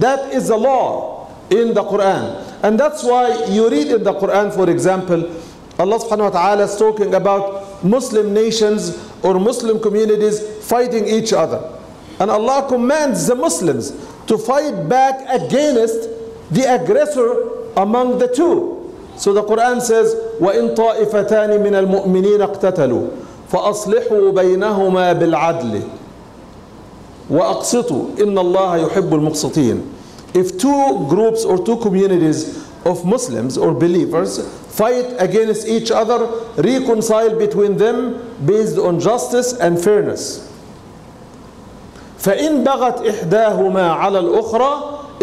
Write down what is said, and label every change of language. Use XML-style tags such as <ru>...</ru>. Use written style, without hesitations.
<en>That is the law in the Quran. And that's why you read in the Quran, for example, Allah subhanahu wa ta'ala is talking about Muslim nations or Muslim communities fighting each other. And Allah commands the Muslims to fight back against the aggressor among the two. So the Quran says,</en> <ar>وَإِن طَائِفَتَانِ مِنَ الْمُؤْمِنِينَ اقْتَتَلُوا فَأَصْلِحُوا بَيْنَهُمَا بِالْعَدْلِ وَأَقْسِطُوا إِنَّ اللَّهَ يُحِبُّ الْمُقْسِطِينَ.</ar> <en>If two groups or two communities of Muslims or believers fight against each other, reconcile between them based on justice and fairness.</en> <ar>فَإِن بَغَتْ إِحْدَاهُمَا عَلَى الْأُخْرَى.</ar>